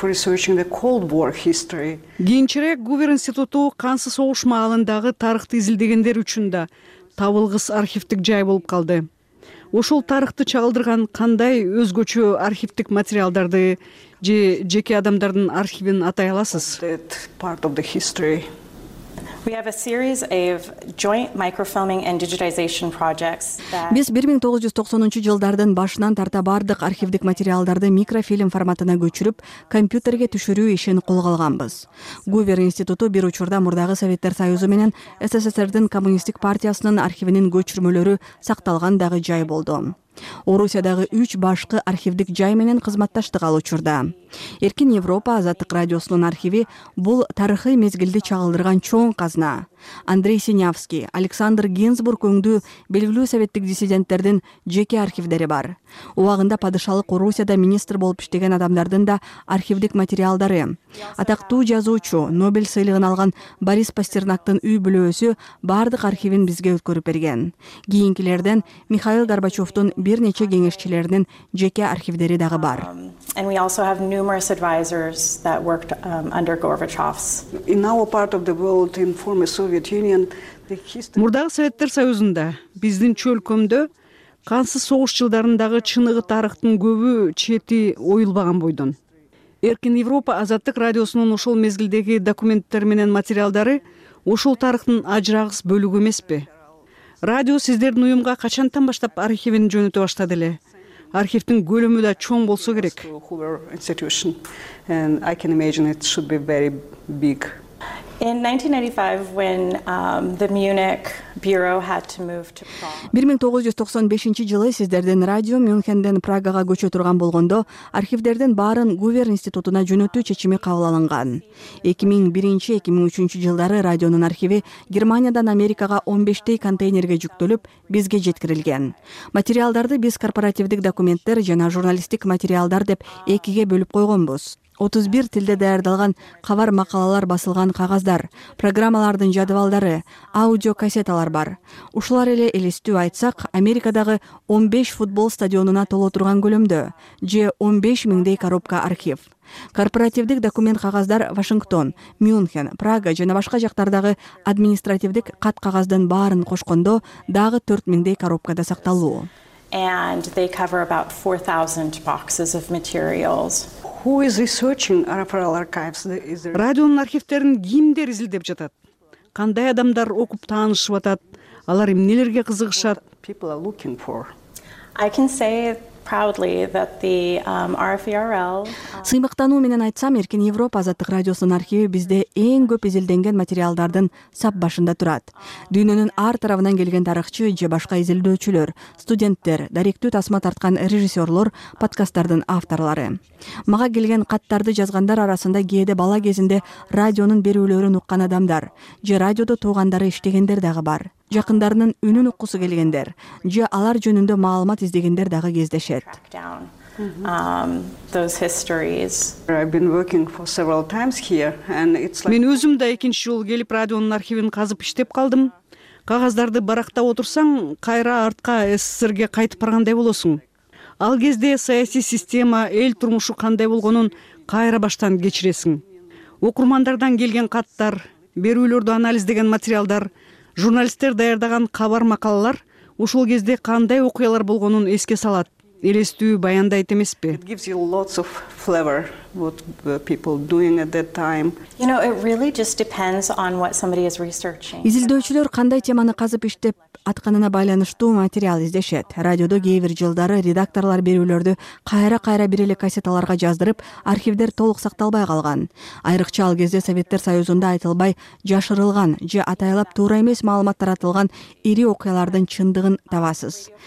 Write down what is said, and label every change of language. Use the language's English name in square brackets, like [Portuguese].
[Kyrgyz] Кийинчерээк Гувер институту кансыз согуш маалындагы тарыхты изилдегендер үчүн да табылгыс архивтик жай болуп калды. Ошол тарыхты чагылдырган кандай өзгөчө архивтик материалдарды же жеке адамдардын архивин атай аласыз? [English] We have a series of joint microfilming and digitization projects that [Kyrgyz] Биз 1990-жылдардын башынан тарта бардык архивдик материалдарды микрофильм форматына көчүрүп, компьютерге түшүрүү ишин колго алганбыз. Гувер институту бир учурда мурдагы Советтер Союзу менен СССРдин коммунисттик партиясынын архивинин көчүрмөлөрү сакталган дагы жай болду. Орусиядагы 3 башкы архивдик жай менен кызматташтык алуучурда. Эркин Европа Азаттык радиосунун архиви бул тарыхый мезгилди чагылдырган чоң казна. Андрей Синявский, Александр Гинзбург өңдүү белгилүү советтик диссиденттердин жеке архивдери бар. Убагында падышалык Орусияда министр болуп иштеген адамдардын да архивдик материалдары. Атактуу жазуучу, Нобель сыйлыгын алган Борис Пастернактын үй бүлөсү бардык архивин бизге өткөрүп берген. Кийинкилерден Михаил Горбачевдун бир нече кеңешчилеринин жеке архивдери дагы бар. [English] Numerous advisors that worked under Gorbachev's in our part of the world in former Soviet Union the history [Kyrgyz] Мурдагы Советтер Союзунда биздин чөлкөмдө кансыз согуш жылдарындагы чыныгы тарыхтын көбү чети оюлбаган бойдон. Эркин Европа Азаттык радиосунун ошол мезгилдеги документтер менен материалдары ошол тарыхтын ажырагыс бөлүгү эмеспи? Радио сиздердин уюмга качантан баштап архивин жөнөтө баштады эле? архивтин көлөмү да чоң болсо керек. [English] In 1995 when the Munich bureau had to move to Prague. [Kyrgyz] 1995 жылы сиздердин радио Мюнхендин Прагага көчө турган болгондо, архивдердин баарын Гувер институтуна жөнөтүү чечими кабыл алынган. 2001-2003 жылдары радионун архиви Германиядан Америкага 15 контейнерге жүктөлүп, бизге жеткирилген. Материалдарды биз корпоративдик документтер жана журналистик материалдар деп экиге бөлүп койгонбуз. 31 тилде даярдалган кабар макалалар басылган кагаздар, программалардын жадыбалдары, аудио кассеталар бар. Ушулар эле элестүү айтсак, Америкадагы 15 футбол стадионуна толо турган көлөмдө же 15 миңдей коробка архив. Корпоративдик документ кагаздар Вашингтон, Мюнхен, Прага жана башка жактардагы административдик кат кагаздын баарын кошкондо дагы 4 миңдей коробкада сакталуу. [English] And they cover about 4,000 boxes of materials. Who is researching RFRL archives? [Kyrgyz] Радионун архивтерин кимдер изилдеп жатат? Кандай адамдар окуп таанышып атат? Алар эмнелерге кызыгышат? [English] People are looking for. I can say proudly that the RFRL. [Kyrgyz] Сыймыктануу менен айтсам, Эркин Европа Азаттык радиосунун архиви бизде эң көп изилденген материалдардын сап башында турат. Дүйнөнүн ар тарабынан келген тарыхчы же башка изилдөөчүлөр, студенттер, даректүү тасма тарткан режиссерлор, подкасттардын авторлары. Мага келген каттарды жазгандар арасында кээде бала кезинде радионун берүүлөрүн уккан адамдар же радиодо туугандары иштегендер дагы бар. Жакындарынын үнүн уккусу келгендер же алар жөнүндө маалымат издегендер дагы кездешет. [English] Those histories. I've been working for several times here and it's like [Kyrgyz] мен өзүм да экинчи жолу келип радионун архивин казып иштеп калдым. Кагаздарды барактап отурсаң, кайра артка СССРге кайтып баргандай болосуң. Ал кезде саясий система, эл турмушу кандай болгонун кайра баштан кечиресиң. Окурмандардан келген каттар, берүүлөрдү анализдеген материалдар, журналисттер даярдаган кабар макалалар ушул кезде кандай окуялар болгонун эске салат, элестүү баяндайт эмеспи? [English] It gives you lots of flavor what people doing at that time. You know, it really just depends on what somebody is researching. [Kyrgyz] Изилдөөчүлөр кандай теманы казып иштеп атканына байланыштуу материал издешет. Радиодо кээ бир жылдары редакторлор берүүлөрдү кайра-кайра бир эле кассеталарга жаздырып, архивдер толук сакталбай калган. Айрыкча ал кезде Советтер Союзунда айтылбай жашырылган же атайлап туура эмес маалымат таратылган ири окуялардын чындыгын табасыз.